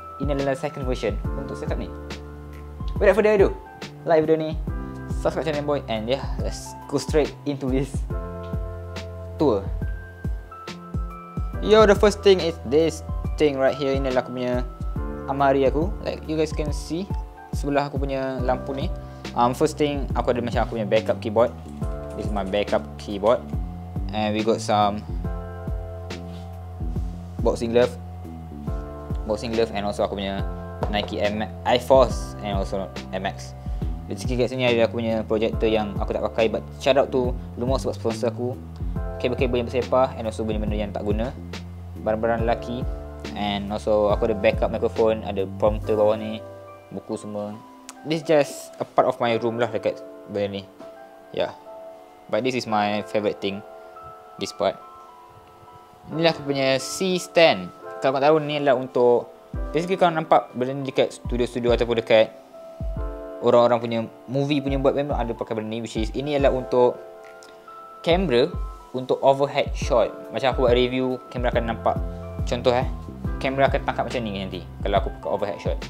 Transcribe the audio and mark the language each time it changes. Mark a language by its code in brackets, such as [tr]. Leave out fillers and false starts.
[ms] Ini adalah second version untuk setup ni. [en] Without further ado, like video ni, subscribe channel boy, and yeah, let's go straight into this tour. Yo, the first thing is this thing right here. [ms] Ini adalah aku punya amari aku. Like you guys can see sebelah aku punya lampu ni. First thing, aku ada macam aku punya backup keyboard. [en] This is my backup keyboard. And we got some boxing glove. Boxing glove and also aku punya Nike Air Force and also Air Max. [ms] Basically kat sini ada aku punya projector yang aku tak pakai, but shout out to Lumo sebab sponsor aku. Kabel-kabel yang bersepah and also benda-benda yang tak guna, barang-barang lelaki. And also aku ada backup microphone, ada prompter bawah ni, buku semua. [en] This just a part of my room lah dekat benda ni. Yeah, but this is my favourite thing, this part. [ms] Inilah aku punya C-stand. Kalau kau tahu ni adalah untuk, basically kau nampak benda ni dekat studio-studio ataupun dekat orang-orang punya movie punya buat memang ada pakai benda ni, which is ini adalah untuk kamera untuk overhead shot. Macam aku buat review, kamera akan nampak contoh eh, kamera akan tangkap macam ni nanti kalau aku pakai overhead shot.